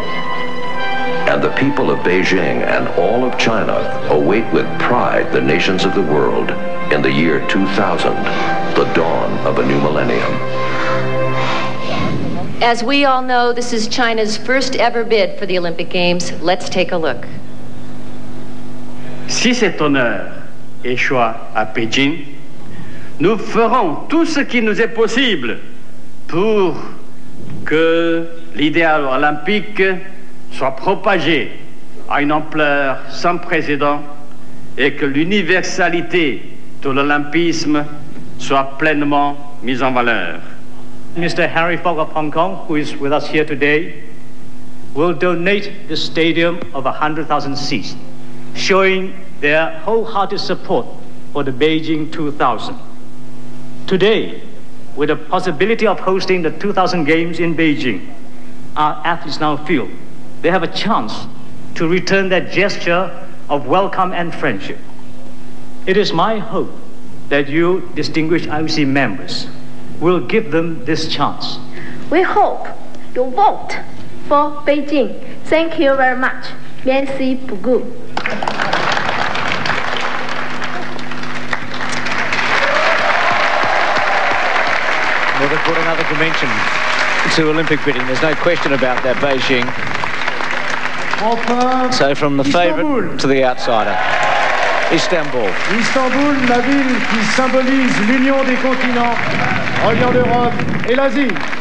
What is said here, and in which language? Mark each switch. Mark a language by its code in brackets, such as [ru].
[en] And the people of Beijing and all of China await with pride the nations of the world in the year 2000, the dawn of a new millennium. As we all know, this is China's first ever bid for the Olympic Games. Let's take a look. [fr] Si cet honneur échoit à Pékin, nous ferons tout ce qui nous est possible pour que l'idéal olympique soit propagé à une ampleur sans précédent et que l'universalité de l'Olympisme soit pleinement mise en valeur. [en] Mr. Harry Fogg of Hong Kong, who is with us here today, will donate the stadium of 100,000 seats, showing their wholehearted support for the Beijing 2000. Today, with the possibility of hosting the 2000 Games in Beijing, our athletes now feel they have a chance to return that gesture of welcome and friendship. It is my hope that you, distinguished IOC members, will give them this chance. We hope you vote for Beijing. Thank you very much. [fr] Merci beaucoup. [en] Never put another dimension to Olympic bidding. There's no question about that, Beijing. So from the favourite to the outsider, Istanbul. [fr] Istanbul, la ville qui symbolise l'union des continents, reliant l'Europe et l'Asie.